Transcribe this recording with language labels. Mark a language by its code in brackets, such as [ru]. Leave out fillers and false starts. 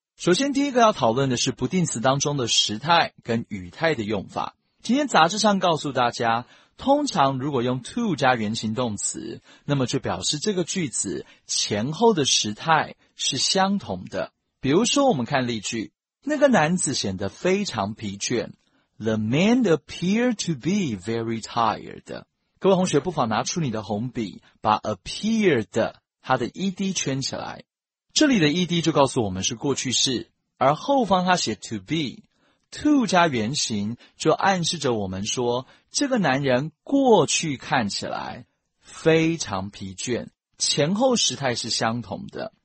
[zh] 首先第一个要讨论的是不定词当中的时态跟语态的用法。今天杂志上告诉大家，通常如果用 to 加原形动词，那么就表示这个句子前后的时态是相同的。比如说我们看例句，那个男子显得非常疲倦。 [en] The man appeared to be very tired。 [zh] 各位同学不妨拿出你的红笔，把 appeared 它的 ed 圈起来。这里的 ed 就告诉我们是过去式，而后方它写 to be， to 加原形就暗示着我们说这个男人过去看起来非常疲倦，前后时态是相同的。